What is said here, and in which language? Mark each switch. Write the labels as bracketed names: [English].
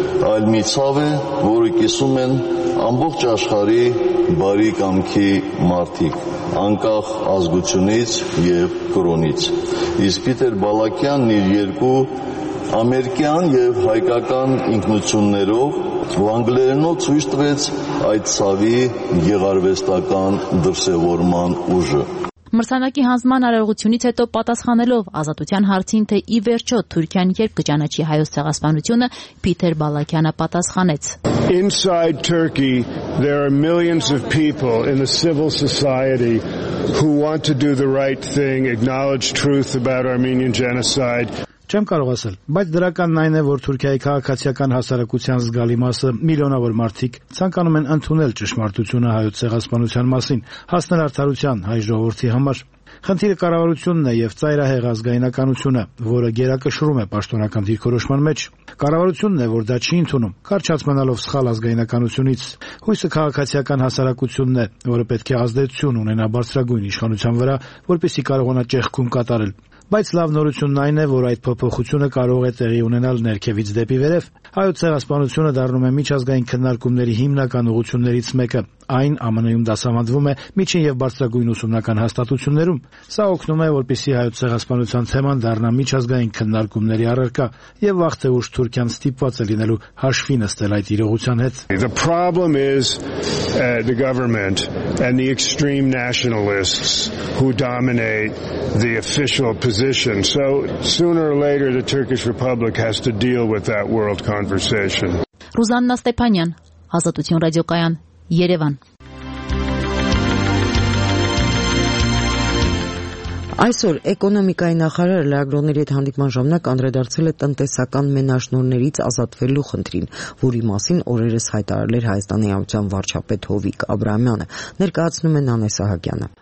[Armenian] այլ մի ցավ է, որը կիսում են ամբողջ աշխարհի բարի կամքի մարդիկ, անկախ ազգությունից և կրոնից։ Իսկ Փիթեր Բալակյանն իր երկու ամերիկյան և հայկական ինքնություններով վանգլերենով ցույց տվեց այդ ցավի գեղարվեստական դրսևորման ուժը։ Մրցանակի հանձնման արարողությունից հետո պատասխանելով ազատության հարցին, թե ի վերջո Թուրքիան երբ կճանաչի հայոց ցեղասպանությունը, Փիթեր Բալակյանը պատասխանեց. [English] Inside Turkey there are millions of people in the civil society who want to do the right thing, acknowledge truth about Armenian genocide. [Armenian] Չեմ կարող ասել, բայց դրականն այն է, որ Թուրքիայի քաղաքացիական հասարակության զգալի մասը, միլիոնավոր մարդիկ, ցանկանում են ընդունել ճշմարտությունը հայոց ցեղասպանության մասին, հասնել արդարության հայ ժողովրդի համար։ Խնդիրը կառավարությունն է եւ ծայրահեղ ազգայնականությունը, որը գերակշռում է պաշտոնական դիրքորոշման մեջ։ Կառավարությունն է, որ դա չի ընդունում, կարճացմանալով սխալ ազգայնականությունից։ Հույսը քաղաքացիական հասարակությունն է, որը պետք է ազդեցություն ունենա բարձրագույն իշխանության վրա, որպեսզի կարողանա ճեղքում կատարել։ Բայց լավ նորությունն այն է, որ այդ փոփոխությունը կարող է տեղի ունենալ ներքևից դեպի վերև։ Հայոց ցեղասպանությունը դառնում է միջազգային քննարկումների հիմնական ուղություններից մեկը։ Այն ԱՄՆ-ում դասավանդվում է միջին և բարձրագույն ուսումնական հաստատություններում։ Սա օգնում է, որպեսզի հայոց ցեղասպանության թեման դառնա միջազգային քննարկումների առարկա, և վաղ թե ուշ Թուրքիան ստիպված է լինելու հաշվի նստել այդ իրողության հետ։ [English] The problem is the government and the extreme nationalists who dominate the official position. So sooner or later the Turkish Republic has to deal with that world conversation. [Armenian] Ռուզաննա Ստեփանյան, Ազատություն ռադիոկայան, Երևան։ Այսօր էկոնոմիկայի նախարարը լրագրողների հետ հանդիպման ժամանակ անդրադարձել է տնտեսական մենաշնորներից ազատվելու խնդրին, որի մասին օրերս հայտարարել էր Հայաստանի Հանրության վարչապետ Հովիկ Աբրահամյանը, ներկայացնում է Նանե Սահակյանը։